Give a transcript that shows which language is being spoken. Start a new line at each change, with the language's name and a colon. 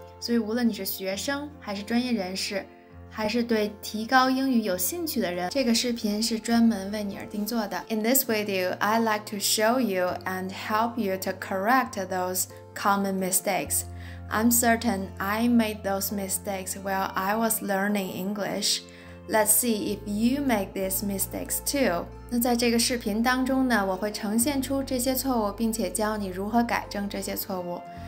Chinese: 所以无论你是学生还是专业人士，还是对提高英语有兴趣的人，这个视频是专门为你而定做的。
English: In this video, I'd like to show you and help you to correct those common mistakes. I'm certain I made those mistakes while I was learning English. Let's see if you make these mistakes too.
Chinese: 那在这个视频当中呢，我会呈现出这些错误，并且教你如何改正这些错误。